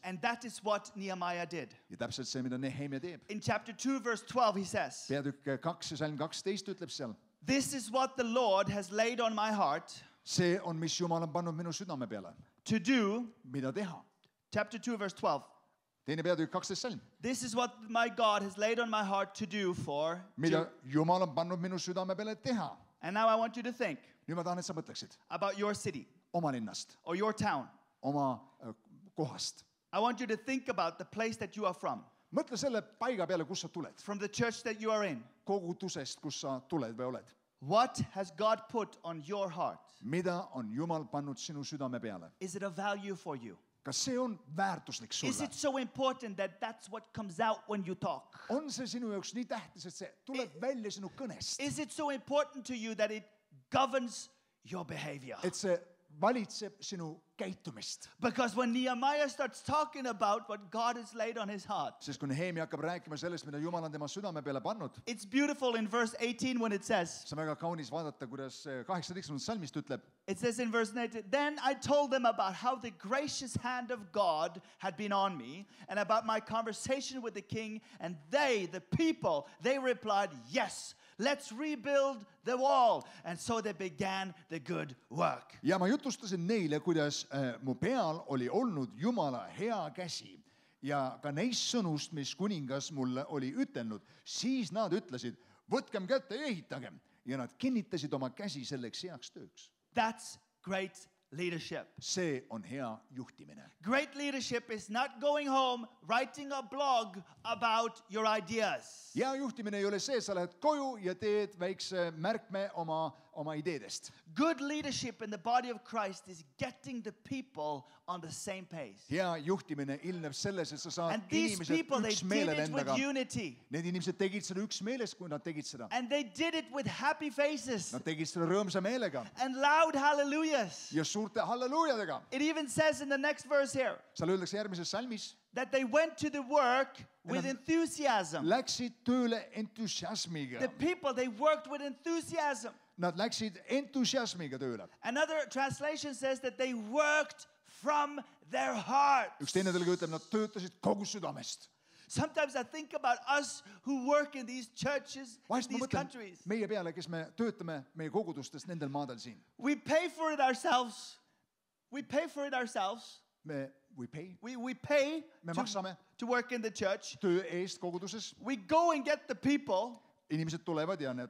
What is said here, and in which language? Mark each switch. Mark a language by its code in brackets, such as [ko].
[en] And that is what Nehemiah did. [et] Ja täpselt see, mida Nehemia teeb. [en] In chapter 2, verse 12, he says. [et] Peatükk 2 ja salm 12 ütleb seal. [en] This is what the Lord has laid on my heart. [et] See on, mis Jumal on pannud minu südame peale. [en] To do. [et] Mida teha. [en] Chapter 2, verse 12. This is what my God has laid on my heart to do for. [et] Mida Jumal on pannud minu südame peale teha. [en] And now I want you to think. [et] Nüüd ma tahan, et sa mõtleksid. [en] About your city. [et] Oma linnast. [en] Or your town. [et] Oma kohast. [en] I want you to think about the place that you are from. [et] Mõtle selle paiga peale, kus sa tuled. [en] From the church that you are in. [et] Kogudusest, kus sa tuled või oled. [en] What has God put on your heart? [et] Mida on Jumal pannud sinu südame peale? [en] Is it a value for you? [et] Kas see on väärtuslik sulle? [en] Is it so important that that's what comes out when you talk? [et] On see sinu jaoks nii tähtis, et see tuleb välja sinu kõnest? [en] Is it so important to you that it governs your behavior? [et] Et see valitseb sinu käitumist. [en] Because when Nehemiah starts talking about what God has laid on his heart, [et] siis kun Nehemia hakkab rääkima sellest, mida Jumal on tema südame peale pannud, [en] it's beautiful in verse 18 when it says, [et] see on väga kaunis vaadata, kuidas 18. Salmist ütleb, [en] it says in verse 19, then I told them about how the gracious hand of God had been on me and about my conversation with the king, and they, the people, they replied, yes, let's rebuild the wall. And so they began the good work. [et] Ja ma jutustasin neile, kuidas mu peal oli olnud Jumala hea käsi. Ja ka neist sõnust, mis kuningas mulle oli ütelnud, siis nad ütlesid, võtkem kätte ja ehitagem. Ja nad kinnitasid oma käsi selleks heaks tööks. [en] That's great leadership. [et] See on hea juhtimine. [en] Great leadership is not going home writing a blog about your ideas. [et] Ja juhtimine ei ole see, sa lähed koju ja teed väikse märkme oma ideedest. [en] Good leadership in the body of Christ is getting the people on the same page. [et] Ja juhtimine ilmneb selles, et sa saad [en] and these [et] inimesed [en] people, [et] üks meele endaga. [en] Unity. [et] Need inimesed tegid seda üks meeles, kui nad tegid seda. [en] And they did it with happy faces. [et] Nad tegid seda rõõmsa meelega. [en] And loud hallelujahs. [et] Ja suurte hallelujadega. [en] It even says in the next verse here. [et] Seal öeldakse järgmises salmis. [en] That they went to the work with enthusiasm. [et] Läksid tööle entusiasmiga. [en] The people, they worked with enthusiasm. [et] Nad läksid entusiasmiga tööle. [en] Another translation says that they worked from their hearts. [et] Üks teine tõlge ütleb, nad töötasid kogu südamest. [en] Sometimes I think about us who work in these churches, [et] vahest [en] in these countries. [et] Meie peale, kes me töötame meie kogudustest nendel maadel siin. [en] We pay for it ourselves. We pay for it ourselves. We pay [et] me maksame [en] to work in the church. [et] Töö eest koguduses. [en] We go and get the people. [et] Inimesed tulevad ja need.